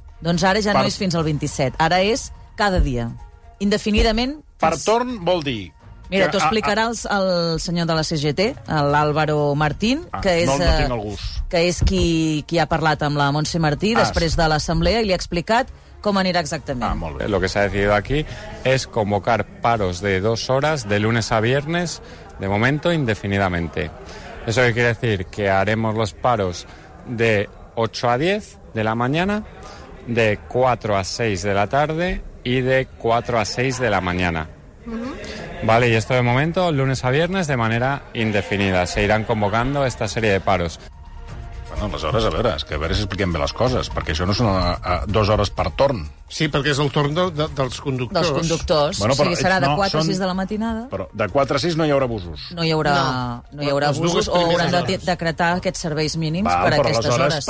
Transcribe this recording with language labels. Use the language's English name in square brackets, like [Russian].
[Catalan] Doncs ara ja no és fins al 27. Ara és cada dia. Indefinidament... Per torn vol dir... Mira, t'ho explicarà el senyor de la CGT, l'Álvaro Martín, que és, no tinc el gust. Que és qui ha parlat amb la Montse Martí després de l'assemblea i li ha explicat cómo anirá exactamente. [Spanish] Ah, lo que se ha decidido aquí es convocar paros de 2 horas de lunes a viernes, de momento indefinidamente. ¿Eso qué quiere decir? Que haremos los paros de 8 a 10 de la mañana, de 4 a 6 de la tarde y de 4 a 6 de la mañana. Vale, y esto de momento, lunes a viernes, de manera indefinida. Se irán convocando esta serie de paros. [Catalan] No, aleshores, a veure si expliquem bé les coses, perquè això no són 2 hores per torn. Sí, perquè és el torn dels conductors. Dels conductors. Bueno, però, o sigui, serà de 4 a 6 de la matinada. Però de 4 a 6 no hi haurà busos. No hi haurà busos, o hauran de decretar aquests serveis mínims per aquestes hores.